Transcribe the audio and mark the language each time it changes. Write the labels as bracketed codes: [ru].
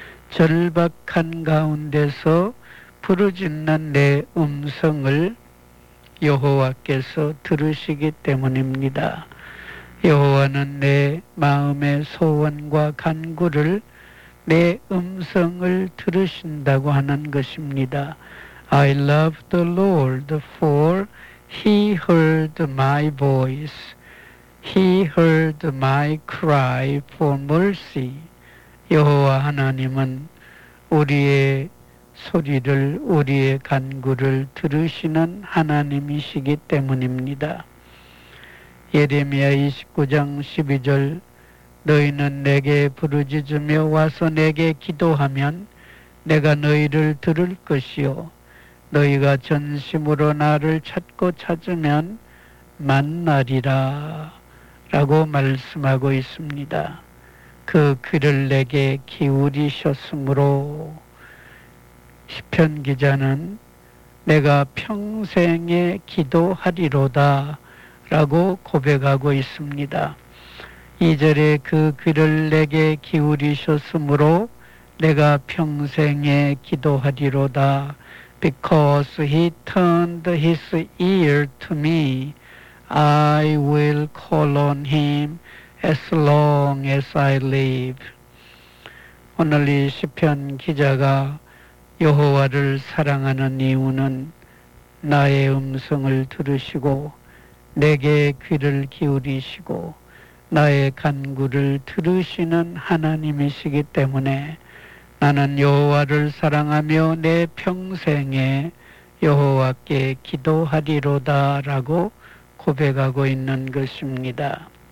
[ko] 절박한 가운데서 부르짖는 내 음성을 여호와께서 들으시기 때문입니다. 여호와는 내 마음의 소원과 간구를 내 음성을 들으신다고 하는 것입니다. [en] I love the Lord, for He heard my voice. He heard my cry for mercy. [ko] 여호와 하나님은 우리의 소리를, 우리의 간구를 들으시는 하나님이시기 때문입니다. 예레미야 29장 12절 너희는 내게 부르짖으며 와서 내게 기도하면 내가 너희를 들을 것이요 너희가 전심으로 나를 찾고 찾으면 만나리라 라고 말씀하고 있습니다. 그 귀를 내게 기울이셨으므로 시편 기자는 내가 평생에 기도하리로다 라고 고백하고 있습니다. 2절에 그 귀를 내게 기울이셨으므로 내가 평생에 기도하리로다. [en] Because he turned his ear to me, I will call on him as long as I live. [ko] 오늘 이 시편 기자가 여호와를 사랑하는 이유는 나의 음성을 들으시고 내게 귀를 기울이시고 나의 간구를 들으시는 하나님이시기 때문에 나는 여호와를 사랑하며 내 평생에 여호와께 기도하리로다 라고 고백하고 있는 것입니다.